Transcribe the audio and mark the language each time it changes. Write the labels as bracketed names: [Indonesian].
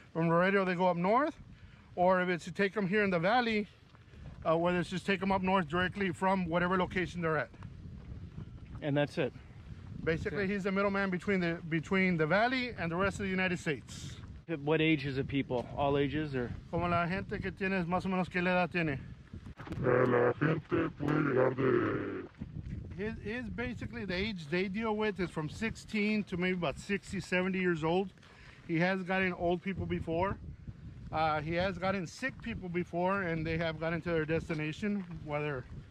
[English] From Laredo, they go up north. Or if it's to take them here in the valley, whether it's just take them up north directly from whatever location they're at. And that's it. Basically, he's the middleman between the valley and the rest of the United States. What ages of people? All ages or? [Spanish] Como la gente que tiene, más o menos, ¿qué edad tiene? La gente puede llegar de... [English] His basically, the age they deal with is from 16 to maybe about 60, 70 years old. He has gotten old people before. He has gotten sick people before, and they have gotten to their destination, whether...